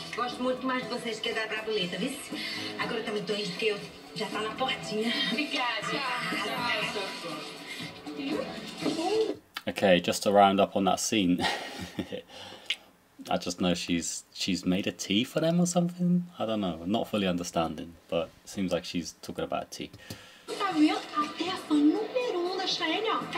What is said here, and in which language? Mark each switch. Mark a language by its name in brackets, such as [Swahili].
[Portuguese] Gosto muito mais de vocês que da Brabuleta, viu? Agora também tô rindo que eu já tá na portinha. Obrigada. [English] Okay, just to round up on that scene. I just know she's made a tea for them or something. I don't know. Not fully understanding, but it seems like she's talking about tea. [Portuguese] Tá vendo? Até a fã número um da Cheyenne, ó.